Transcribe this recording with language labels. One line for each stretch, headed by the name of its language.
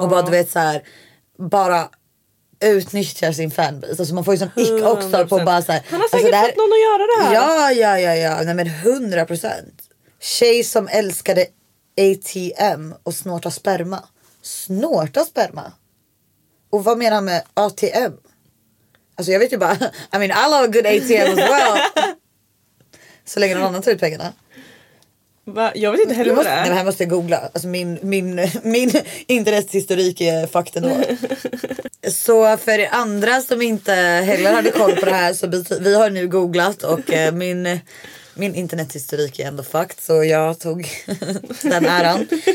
Swedish: Och bara, du vet så här, bara utnyttjar sin fanbase. Alltså man får ju sån ick också på bara så här. Han har säkert fått alltså någon att göra det här. Ja. Nej men 100%. Tjej som älskade ATM och snorta sperma. Snorta sperma? Och vad menar han med ATM? Alltså jag vet ju bara,
English: I mean I love a good ATM as well.
Swedish: Så länge någon annan tar ut pengarna. Va? Jag vet inte heller vad det är. Nej, men här måste jag googla. Alltså min internethistorik är fakten då. Så för andra som inte heller hade koll på det här, så vi har nu googlat och min internethistorik är ändå fucked, så jag tog den äran.